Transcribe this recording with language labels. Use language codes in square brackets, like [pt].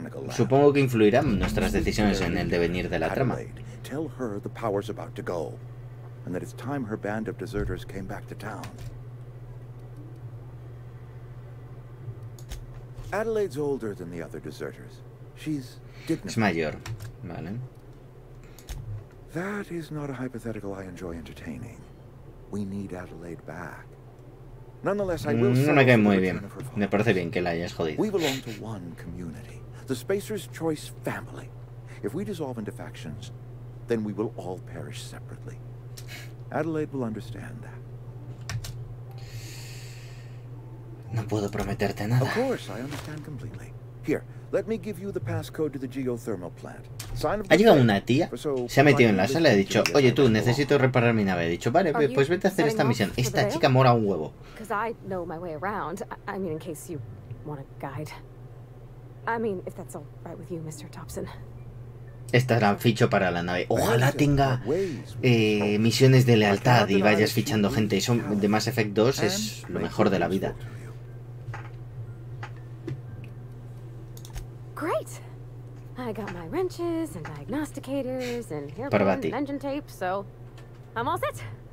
[es] Supongo que influirán nuestras decisiones en el devenir de la trama. [en] Tell her the power's about to go, and that it's time her band of deserters came back to town. Adelaide's older than the other deserters. She's dignified. [es] Es mayor, vale. [en] That is not a hypothetical I enjoy entertaining. We need Adelaide back. Nonetheless, I will. [es] No me cae muy bien. Me parece bien que la hayas jodido. [en] We belong to one community, the Spacer's Choice family. If we dissolve into factions, then we will all perish separately. Adelaide will understand that. [es] No puedo prometerte nada. [en] Of course, I understand completely. Here, let me give you the passcode to the geothermal plant. [es] Ha llegado una tía, se ha metido en la sala y ha dicho, oye tú, necesito reparar mi nave. He dicho, vale, pues vete a hacer esta misión. Esta chica mora un huevo. [en] Because I know my way around. I mean, in case you want a guide. I mean, if that's all right with you, Mr. Thompson. [es] Esta era ficho para la nave. Ojalá tenga misiones de lealtad y vayas fichando gente. Eso de Mass Effect 2 es lo mejor de la vida. [en] Great. I got my wrenches and diagnosticators and hairpins and engine tape, so I'm all set.